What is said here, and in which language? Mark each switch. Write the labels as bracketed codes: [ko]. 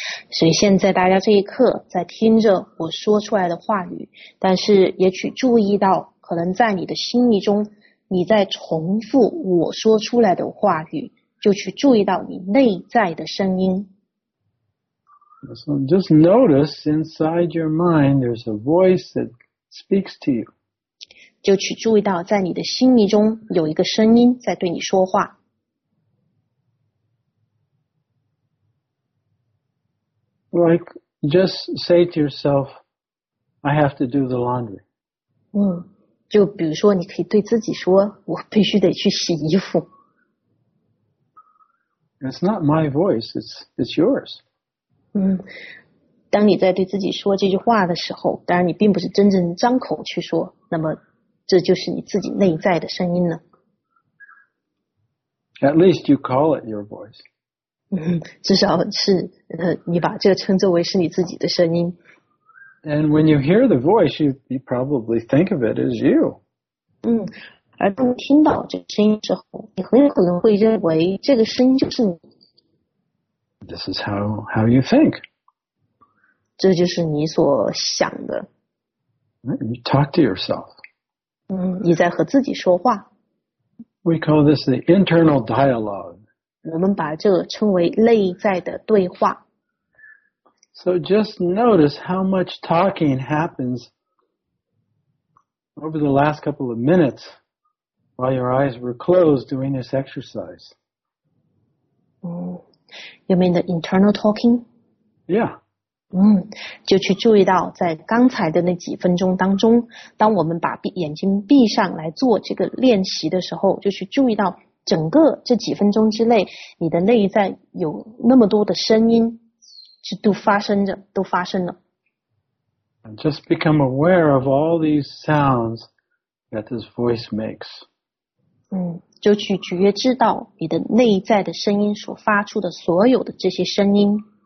[zh] 所以现在大家这一刻在听着我说出来的话语，但是也去注意到，可能在你的心意中。你在重复我说出来的话语，就去注意到你内在的声音。 [en] So just notice inside your mind, there's a voice that speaks to you. [zh] 就去注意到在你的心里中有一个声音在对你说话。 [en] Like, just say to yourself, I have to do the laundry. [zh] 就比如说，你可以对自己说：“我必须得去洗衣服。” [en] It's not my voice, it's yours. [zh] 当你在对自己说这句话的时候，当然你并不是真正张口去说，那么这就是你自己内在的声音了。 [en] At least you call it your voice. [zh] 至少是你把这个称作为是你自己的声音。 [en] And when you hear the voice, you probably think of it as you. [zh] 而当你听到这个声音之后，你很有可能会认为这个声音就是你。 [en] This is how you think. [zh] 这就是你所想的。 [en] You talk to yourself. [zh] 你在和自己说话。 [en] We call this the internal dialogue. [zh] 我们把这个称为内在的对话。 [en] So just notice how much talking happens over the last couple of minutes while your eyes were closed doing this exercise. You mean the internal talking? Yeah. [zh] 就去注意到在刚才的那几分钟当中，当我们把眼睛闭上来做这个练习的时候，就去注意到整个这几分钟之内，你的内在有那么多的声音。都发生了。 [en] And just become aware of all these sounds that this voice makes. [zh] 就去觉知到你的内在的声音所发出的所有的这些声音。